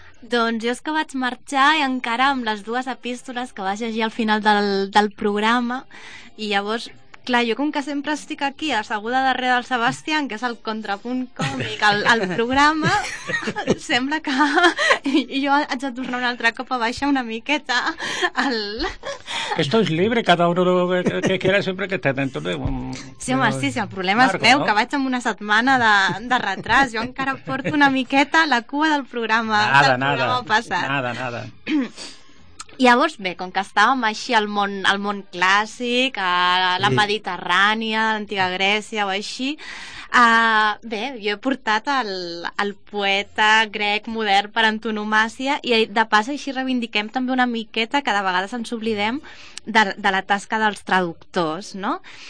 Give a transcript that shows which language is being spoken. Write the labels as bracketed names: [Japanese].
[Catalan] Doncs jo és que vaig marxar i encara amb les dues epístoles que vaig llegir al final del programa, i llavors, clar, jo com que sempre estic aquí asseguda darrere del Sebastián, que és el contrapunt còmic al programa, sembla que jo haig de tornar un altre cop a baixar una miqueta al... [Spanish] Esto es libre, cada uno lo que quiera, siempre que esté dentro de un... [Catalan] Sí, home, sí, el problema es meu, no? Que vaig amb una setmana de retras. Jo encara porto una miqueta la cua del programa. [Spanish] Nada. [Catalan] Llavors, bé, com que estàvem així al món clàssic, a la Mediterrània, a l'antiga Grècia o així, bé, jo he portat el poeta grec modern per antonomàcia, i de pas així reivindiquem també una miqueta, que de vegades ens oblidem, de la tasca dels traductors, no?